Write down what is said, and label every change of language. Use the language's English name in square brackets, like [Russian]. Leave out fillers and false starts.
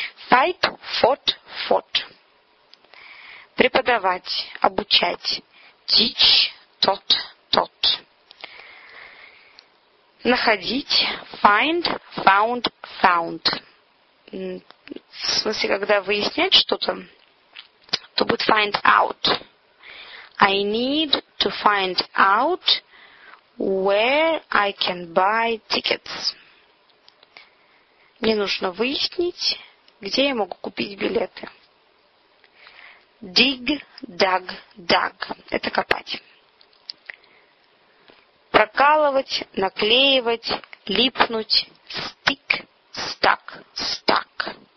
[English] Fight, fought, fought. [Russian] Преподавать, обучать. [English] Teach, taught, taught. [Russian] Находить, [English] find, found, found. [Russian] В смысле, когда выяснять что-то, то будет [English] find out. I need to find out where I can buy tickets. [Russian] Мне нужно выяснить, где я могу купить билеты. [English] Dig, dug, dug. [Russian] Это копать. Прокалывать, наклеивать, липнуть. [English] Stick, stuck, stuck.